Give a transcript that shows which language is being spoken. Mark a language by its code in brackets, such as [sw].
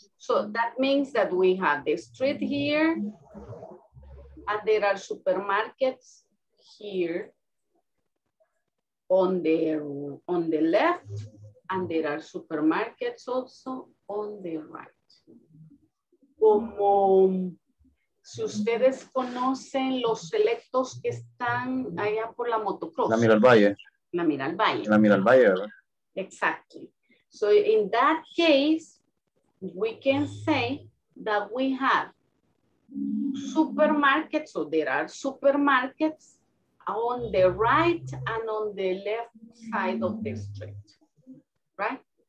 [en] So that means that we have the street here. And there are supermarkets here. On the left. And there are supermarkets also on the right. [es] Como si ustedes conocen los selectos que están allá por la motocross. La Miral Valle, ¿verdad? [en] Exactly. So in that case, we can say that we have supermarkets, so there are supermarkets on the right and on the left side of the street, right?